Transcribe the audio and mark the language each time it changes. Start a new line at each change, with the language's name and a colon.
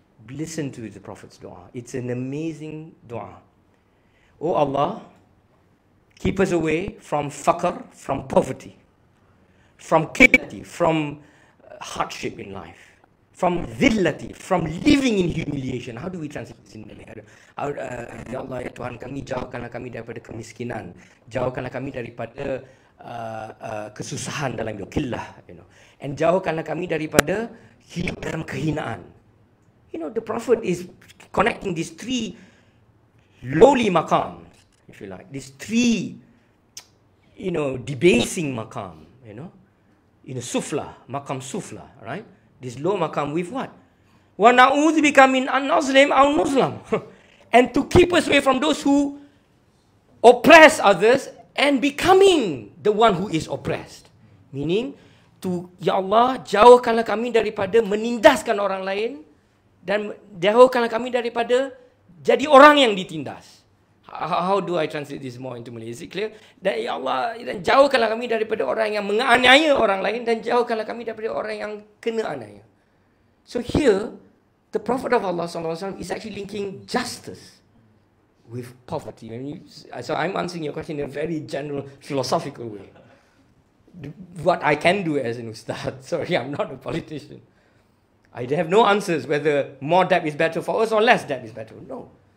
English: Listen to the Prophet's dua. It's an amazing dua. Oh Allah, keep us away from faqr, from poverty, from qillati, from hardship in life, from dhillati, from living in humiliation. How do we translate this in Malay?
Malay: Ya Allah, ya Tuhan kami, jauhkanlah kami daripada kemiskinan, jauhkanlah kami daripada kesusahan dalam hidup, qillah,
English: you know,
Malay: and jauhkanlah kami daripada hidup dalam kehinaan.
English: You know, the Prophet is connecting these three lowly maqam, if you like, these three, you know, debasing maqam, you know, in a sufla, maqam sufla, right? This low maqam with what?
Arabic: Wa na'udhu bika min an-nuzlim aw nuzlam.
English: And to keep us away from those who oppress others and becoming the one who is oppressed. Meaning, to
Malay: Ya Allah, jauhkanlah kami daripada menindaskan orang lain, dan jauhkanlah kami daripada jadi orang yang ditindas.
English: How do I translate this more into Malay? Is it clear?
Malay: Dan Ya Allah, dan jauhkanlah kami daripada orang yang menganiaya orang lain, dan jauhkanlah kami daripada orang yang kena anaya.
English: So here, the Prophet of Allah SAW is actually linking justice with poverty. So I'm answering your question in a very general philosophical way. What I can do as an ustad, sorry, I'm not a politician, I have no answers whether more debt is better for us or less debt is better. No.